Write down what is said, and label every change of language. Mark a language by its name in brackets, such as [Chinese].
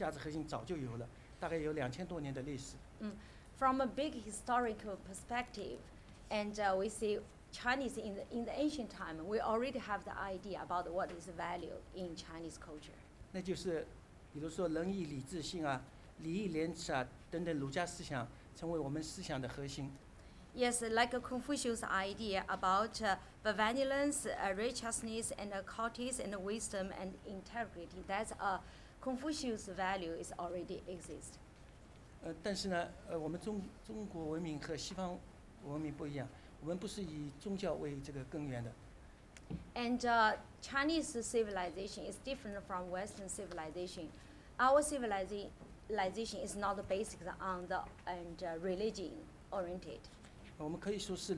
[Chinese] 如果我们从大的历史格局来看，或者说很比较深的思想视野来考察，那么古代中国的文明的价值核心早就有了，大概有2000多年的历史。 [English] From a big historical perspective, and we see. Chinese in the ancient time, we already have the idea about what is value in Chinese culture. [Chinese] 那就是，比如说仁义礼智信啊，礼义廉耻啊等等儒家思想，成为我们思想的核心。 [English] Yes, like a Confucius' idea about benevolence, righteousness, and courtesy, and wisdom, and integrity. That's a Confucius' value is already exist. [Chinese] 但是呢，我们中国文明和西方文明不一样。 [English] And Chinese civilization is different from Western civilization. Our civilization is not based on the and religion oriented.